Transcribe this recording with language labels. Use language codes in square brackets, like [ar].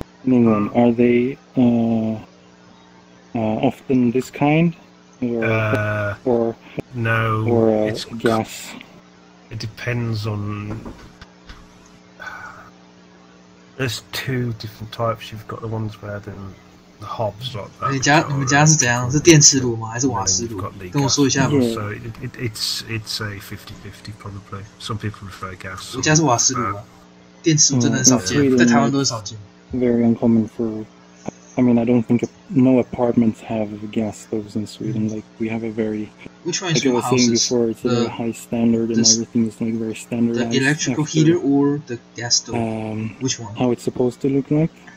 [en] In England, are they often this kind, or no? Or it's gas. It depends on... There's two different types. You've got the ones where then the hobs like that. [zh] 你们家是怎样？是电磁炉吗？还是瓦斯炉？跟我说一下吧。 [en] So it's a 50-50 probably. Some people prefer gas. [zh] 我家是瓦斯炉啊，电磁炉真的很少见，在台湾都很少见。 [en] Very uncommon for, I mean, I don't think no apartments have gas stoves in Sweden. Like we have a very, like I was saying before, it's a high standard and everything is like very standardized. The electrical heater or the gas stove? Which one? How it's supposed to look like?